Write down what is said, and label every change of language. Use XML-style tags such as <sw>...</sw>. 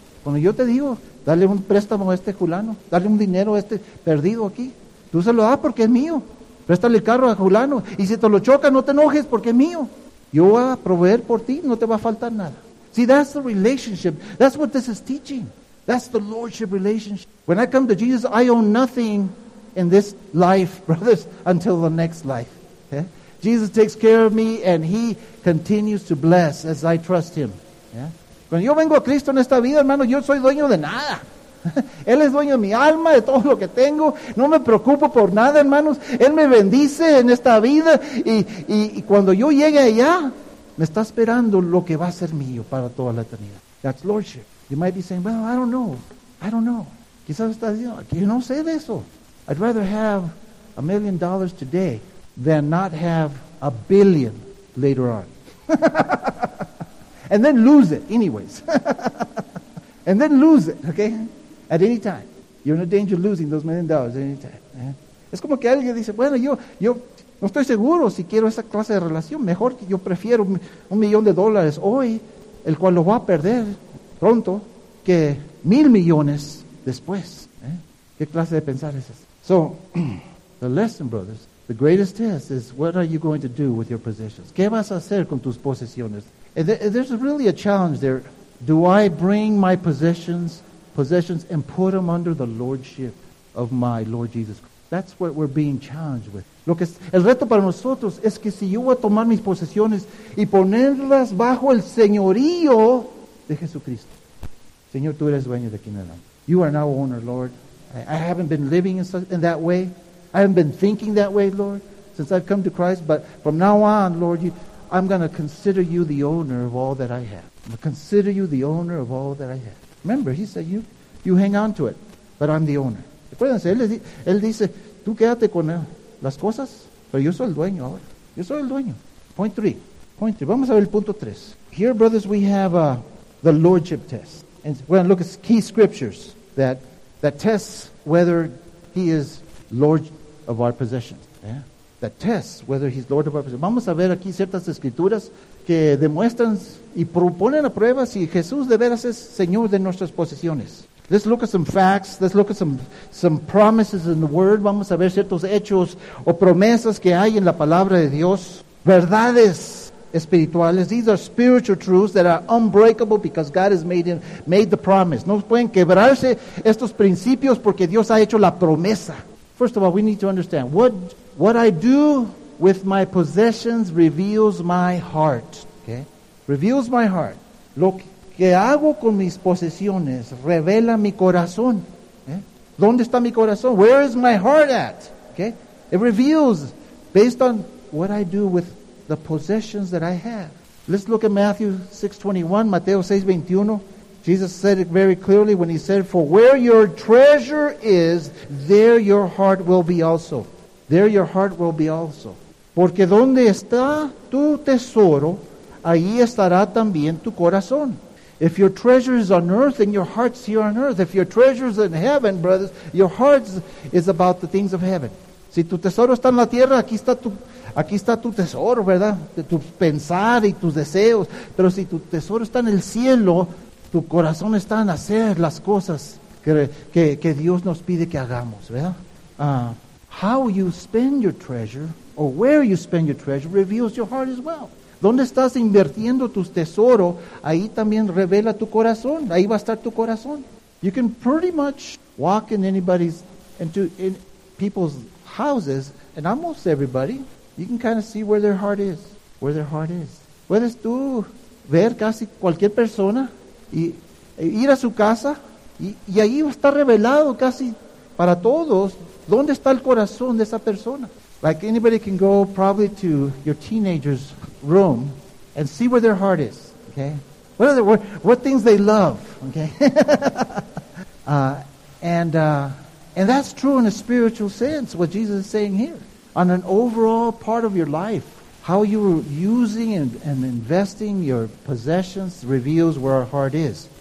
<es>Cuando yo te digo, dale un préstamo a este fulano, dale un dinero a este perdido aquí, tú se lo das porque es mío. Préstale el carro a fulano. Y si te lo choca, no te enojes porque es mío. Yo voy a proveer por ti, no te va a faltar nada.</es> <en>See, that's the relationship. That's what this is teaching. That's the lordship relationship. When I come to Jesus, I own nothing in this life, brothers, until the next life. Yeah? Jesus takes care of me and he continues to bless as I trust him. Yeah?</en> <es>Cuando yo vengo a Cristo en esta vida, hermano, yo soy dueño de nada. Él es dueño de mi alma, de todo lo que tengo. No me preocupo por nada, hermanos. Él me bendice en esta vida. Y cuando yo llegue allá, me está esperando lo que va a ser mío para toda la eternidad.</es> <en>That's lordship. You might be saying, well, I don't know.</en> <es>Quizás estás diciendo, que yo no sé de eso.</es> <en>I'd rather have $1,000,000 today than not have $1,000,000,000 later on. And then lose it, anyways. And then lose it, okay? At any time. You're in a danger of losing those $1,000,000 at any time.</en> <es>Yeah? Es como que alguien dice, bueno, yo no estoy seguro si quiero esa clase de relación. Mejor que yo prefiero $1,000,000 hoy, el cual lo va a perder pronto, que $1,000,000,000 después. Yeah? ¿Qué clase de pensar es eso?</es> <en>So, the lesson, brothers, the greatest test is what are you going to do with your possessions?</en> <es>¿Qué vas a hacer con tus posesiones?</es> <en>And there's really a challenge there. Do I bring my possessions and put them under the lordship of my Lord Jesus Christ? That's what we're being challenged with.</en> <es>El reto para nosotros es que si yo voy a tomar mis posesiones y ponerlas bajo el señorío de Jesucristo. Señor, tú eres dueño de aquí en adelante.</es> <en>You are now owner, Lord. I haven't been living in that way. I haven't been thinking that way, Lord, since I've come to Christ. But from now on, Lord, I'm going to consider you the owner of all that I have. I'm going to consider you the owner of all that I have. Remember, he said, you hang on to it, but I'm the owner.</en> <es>Acuérdense, él dice, tú quédate con las cosas, pero yo soy el dueño ahora. Yo soy el dueño.</es> <en>Point three.</en> <es>Vamos a ver el punto tres.</es> <en>Here, brothers, we have the lordship test. And we're going to look at key scriptures that tests whether he is lord of our possessions. Yeah? That tests whether he's lord of our possessions.</en> <es>Vamos a ver aquí ciertas escrituras que demuestran y proponen a prueba si Jesús de veras es Señor de nuestras posesiones.</es> <en>Let's look at some facts. Let's look at some promises in the Word.</en> <es>Vamos a ver ciertos hechos o promesas que hay en la palabra de Dios. Verdades espirituales.</es> <en>These are spiritual truths that are unbreakable because God has made the promise.</en> <es>No pueden quebrarse estos principios porque Dios ha hecho la promesa.</es> <en>First of all, we need to understand what I do with my possessions reveals my heart. Okay? Reveals my heart.</en> <es>Lo que hago con mis posesiones revela mi corazón.</es> <en>Okay?</en> <es>¿Dónde está mi corazón?</es> <en>Where is my heart at? Okay? It reveals based on what I do with the possessions that I have. Let's look at Mateo 6:21. Jesus said it very clearly when he said, for where your treasure is, there your heart will be also. There your heart will be also.</en> <es>Porque donde está tu tesoro, ahí estará también tu corazón.</es> <en>If your treasure is on earth, then your heart's here on earth. If your treasure is in heaven, brothers, your heart is about the things of heaven.</en> <es>Si tu tesoro está en la tierra, aquí está tu tesoro, ¿verdad? De tu pensar y tus deseos. Pero si tu tesoro está en el cielo, tu corazón está en hacer las cosas que Dios nos pide que hagamos, ¿verdad? How you spend your treasure, or where you spend your treasure, reveals your heart as well. ¿Dónde estás invirtiendo tu tesoro? Ahí también revela tu corazón. Ahí va a estar tu corazón.</es> <en>You can pretty much walk in anybody's, into people's houses, and almost everybody, you can kind of see where their heart is. Where their heart is.</en> <es>Puedes tú ver casi cualquier persona y ir a su casa y ahí está revelado casi para todos dónde está el corazón de esa persona.</es> <en>Like anybody can go probably to your teenager's room and see where their heart is. Okay, what things they love. Okay, and that's true in a spiritual sense. What Jesus is saying here, on an overall part of your life, how you're using and investing your possessions reveals where our heart is.</en>